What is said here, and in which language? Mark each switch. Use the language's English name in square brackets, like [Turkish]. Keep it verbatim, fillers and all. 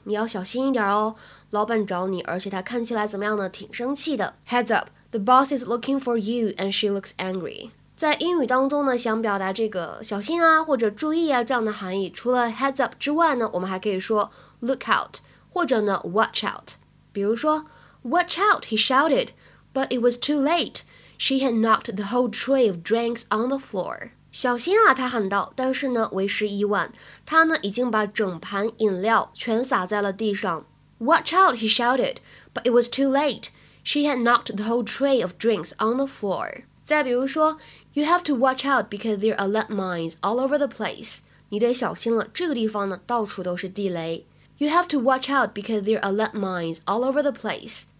[Chinese] 你要小心一点哦，老板找你，而且他看起来怎么样呢？挺生气的 [English] Heads up. The boss is looking for you and she looks angry. [Chinese] 在英语当中呢，想表达这个小心啊或者注意啊这样的含义，除了 heads up 之外呢，我们还可以说 look out 或者呢 watch out。比如说 [English] watch out, he shouted, but it was too late. She had knocked the whole tray of drinks on the floor. [Chinese] 小心啊，他喊道，但是呢为时已晚，他呢已经把整盘饮料全洒在了地上。 [English] Watch out, he shouted, but it was too late. She had knocked the whole tray of drinks on the floor. [Chinese] 再比如说 [English] You have to watch out because there are landmines all over the place. [Chinese] 你得小心了，这个地方呢到处都是地雷。 [English] You have to watch out because there are landmines all over the place.